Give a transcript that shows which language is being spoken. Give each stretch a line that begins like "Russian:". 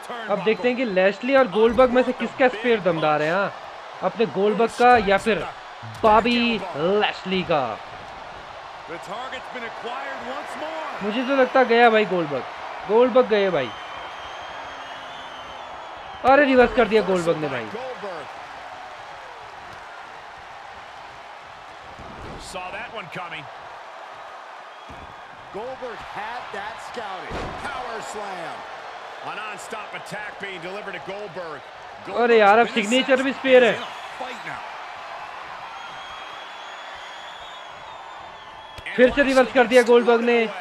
Hindi: अब देखते हैं कि लेस्ली और गोल्ड बक में से किसका स्पेयर दमदार है, हाँ, अपने गोल्ड बक का या फिर बॉबी लेस्ली का।
English: The target's been acquired once more.
Hindi: मुझे तो लगता गया भाई गोल्डबर्ग, गोल्डबर्ग गए भाई। अरे रिवर्स कर दिया गोल्डबर्ग ने भाई।
English: Saw that one coming. Goldberg had that scouted. Power slam. A non-stop attack being delivered to Goldberg.
Hindi: अरे यार, अब सिग्नेचर भी स्पेयर है। फिर से रिवर्स कर दिया गोल्डबर्ग ने।